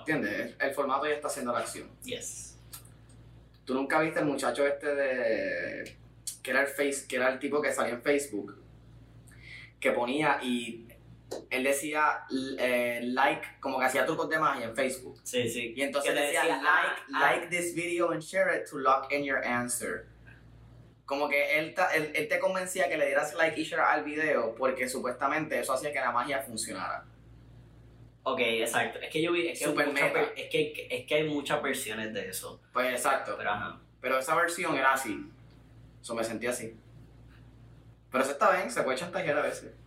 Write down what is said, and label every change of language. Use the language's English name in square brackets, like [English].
[Spanish] ¿Entiendes? El formato ya está haciendo la acción. [English] Yes. [Spanish] ¿Tú nunca viste el muchacho este de... que era el tipo que salía en Facebook, que ponía y él decía like, como que hacía trucos de magia en Facebook? Sí. Y entonces decía [English] like this video and share it to lock in your answer. [Spanish] Como que él te convencía que le dieras like y share al video porque supuestamente eso hacía que la magia funcionara. Ok, exacto. Es que yo vi... Es que hay muchas versiones de eso. Pues exacto. Pero ajá. Pero esa versión era así. Eso me sentí así. Pero eso está bien, se puede chantajear a veces.